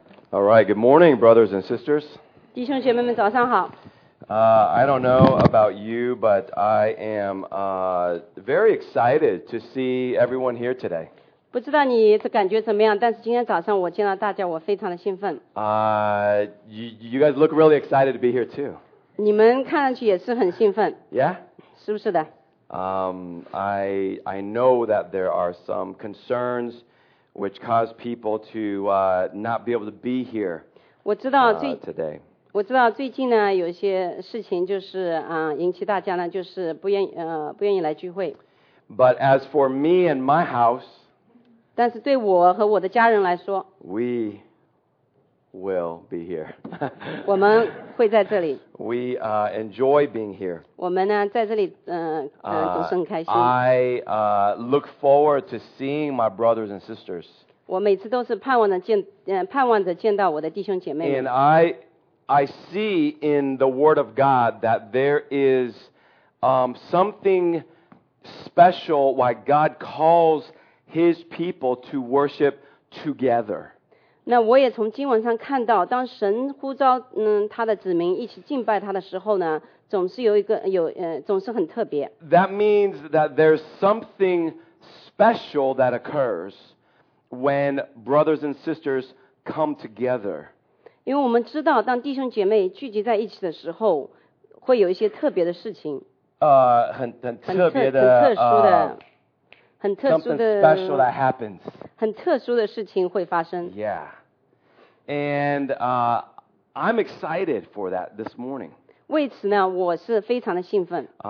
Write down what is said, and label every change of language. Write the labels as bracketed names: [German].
[English] All right, good morning, brothers and sisters. [Chinese] 弟兄姐妹们，早上好。 [English] I don't know about you, but I am very excited to see everyone here today. [Chinese] 不知道你感觉怎么样，但是今天早上我见到大家，我非常的兴奋。 [English] You guys look really excited to be here too. [Chinese] 你们看上去也是很兴奋。 [English] Yeah? [Chinese] 是不是的？ [English] I know that there are some concerns which cause people to not be able to be here today. [Chinese] 我知道最近呢有些事情就是引起大家呢就是不愿意来聚会。 [English] But as for me and my house, [Chinese] 但是对我和我的家人来说 [English] we will be here. [Chinese] 我们会在这里。 [English] We enjoy being here. [Chinese] 我们呢在这里总是很开心。 [English] I look forward to seeing my brothers and sisters. [Chinese] 我每次都是盼望着见到我的弟兄姐妹。 [English] And I see in the Word of God that there is something special why God calls His people to worship together. [Chinese] 那我也从经文上看到，当神呼召他的子民一起敬拜他的时候呢，总是有一个有总是很特别。 [English] That means that there's something special that occurs when brothers and sisters come together. [Chinese] 因为我们知道当弟兄姐妹聚集在一起的时候会有一些特别的事情。很特别的。很特殊的。 [English] Something special that happens. [Chinese] 很特殊的事情会发生。 [English] Yeah. And I'm excited for that this morning. [Chinese] 为此呢我是非常的兴奋。